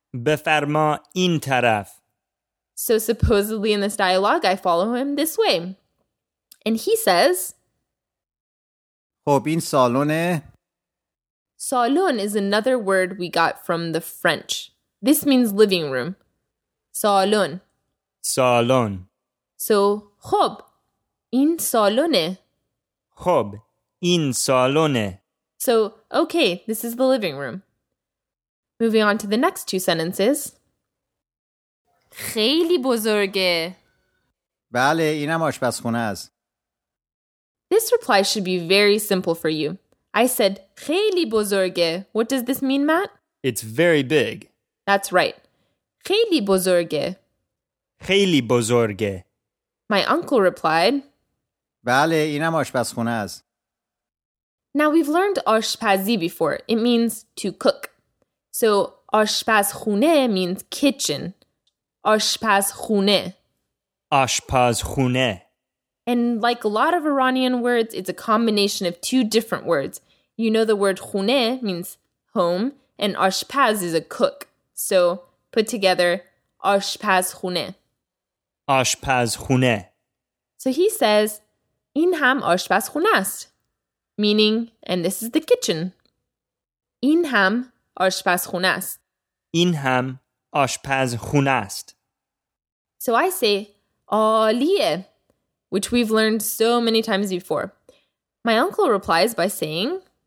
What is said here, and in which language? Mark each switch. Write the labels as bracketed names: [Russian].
[Persian] بفرمای این طرف. [English] So supposedly in this dialogue, I follow him this way. And he says, [Persian] خب این سالونه. [English] Salon is another word we got from the French. This means living room. Salon. Salon. [Persian] So, خب این سالونه. خب این سالونه. [English] So, okay, this is the living room. Moving on to the next two sentences. [Persian] خیلی بزرگه. بله، اینم آشپزخونه است. [English] This reply should be very simple for you. I said [Persian] خیلی بزرگه. [English] What does this mean, Matt? It's very big. That's right. [Persian] خیلی بزرگه. خیلی بزرگه. [English] My uncle replied, [Persian] بله، اینم آشپزخونه است. [English] Now we've learned آشپزی before. It means to cook. So آشپزخونه means kitchen. [Persian] آشپزخونه. آشپزخونه. [English] And like a lot of Iranian words, it's a combination of two different words. You know the word خونه means home, and آشپز is a cook. So put together, آشپزخونه. [Persian] آشپزخونه. [English] So he says, [Persian] این هم آشپزخونه است. [English] Meaning, and this is the kitchen. [Persian] این هم آشپزخونه است. این هم آشپزخونه است. [English] So I say, عالیه, which we've learned so many times before. My uncle replies by saying,